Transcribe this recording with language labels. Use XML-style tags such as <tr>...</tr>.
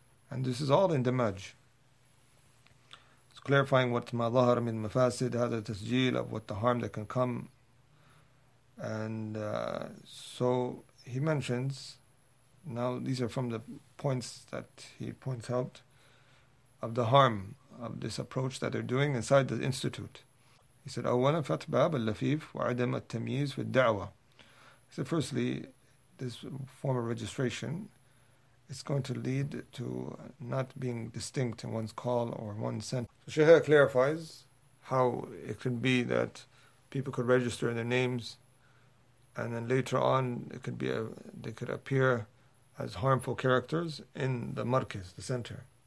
<en>And this is all in Dammaj. It's clarifying what</en> <ar>ma dhahar min mafasid hadha tasjeel,</ar> <en>of what the harm that can come. And so he mentions, now these are from the points that he points out, of the harm of this approach that they're doing inside the institute. He said,</en> <ar>أولا فتح باب اللفيف وعدم التمييز في الدعوة.</ar> <en>He said, firstly, this form of registration, it's going to lead to not being distinct in one's call or one's sent. So Shaheer clarifies how it could be that people could register in their names, and then later on it could be they could appear as harmful characters in the markez, the center.</en>